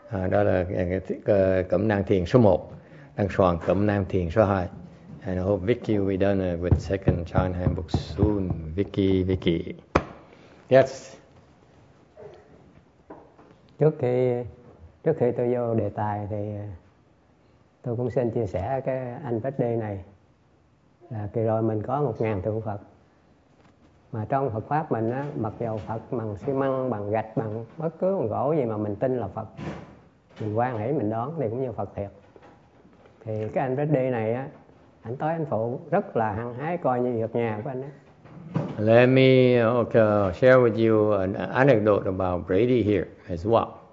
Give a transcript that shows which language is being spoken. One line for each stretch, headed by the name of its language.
Vietnamese: Đó là cẩm nang thiền số 1, đang soạn cẩm nang thiền số 2.
English: And I hope Vicky will be done with second Chan handbook soon. Vicky. Yes.
Vietnamese: Trước khi tôi vô đề tài thì tôi cũng xin chia sẻ cái anh PhD này là kỳ rồi mình có 1000 tượng Phật. Mà trong Phật pháp mình á, mặc dầu Phật bằng xi măng, bằng gạch, bằng bất cứ bằng gỗ gì mà mình tin là Phật, mình quan hỷ mình đón thì cũng như Phật thiệt. Thì cái anh PhD này á, anh tới anh phụ rất là hăng hái coi như việc nhà của anh ấy.
English: Let me share with you an anecdote about Brady here as well.